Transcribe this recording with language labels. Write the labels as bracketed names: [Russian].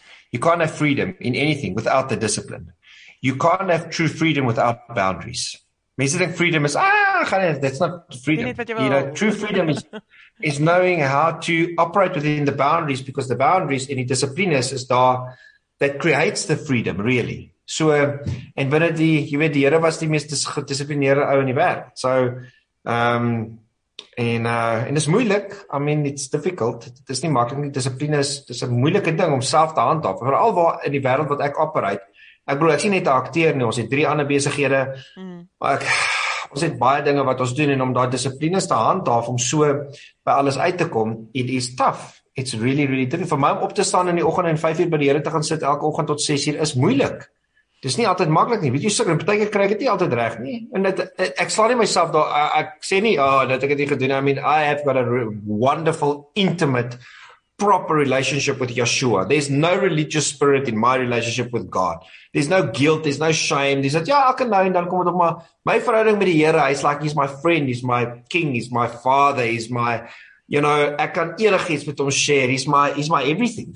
[English] You can't have freedom in anything without the discipline. You can't have true freedom without boundaries. [Afrikaans] Mense dink [English] freedom is that's not freedom. You know, true freedom is knowing how to operate within the boundaries because the boundaries in die discipline is daar that creates the freedom really. [Afrikaans] So en wanneer jy weet die Here was die mees gedissiplineerde ou in die wêreld. So en dis moeilik. [English] I mean it's difficult. [Afrikaans] Dit is nie maklik nie. Disipline is 'n moeilike ding om self te handhaaf, veral waar in die wêreld wat ek operate. Ek glo ek sien net akteer nie, ons het 3 ander besighede. Maar ons het baie dinge wat ons doen en om daai dissipline te handhaaf om so by alles uit te kom, [English] it is tough. It's really really tough. [Afrikaans] Vir my om op te staan in die oggend en 5 uur by die Here te gaan sit elke oggend tot 6 uur is moeilik. Dis nie altyd maklik nie. Weet jy, sukkel en partykeer kry ek dit nie altyd reg nie. En dit ek sla nie myself daar ek sê nie, dat ek dit nie gedoen nie. [English] I mean, I have got a wonderful intimate proper relationship with Yeshua. There's no religious spirit in my relationship with God. There's no guilt, there's no shame. [Afrikaans] Dis net ja, ek kan nou en dan kom dit op my verhouding met die Here. Hy's [English] like he's my friend, he's my king, he's my father, he's my you know, [Afrikaans] ek kan enigiets met hom share. [English] He's my everything.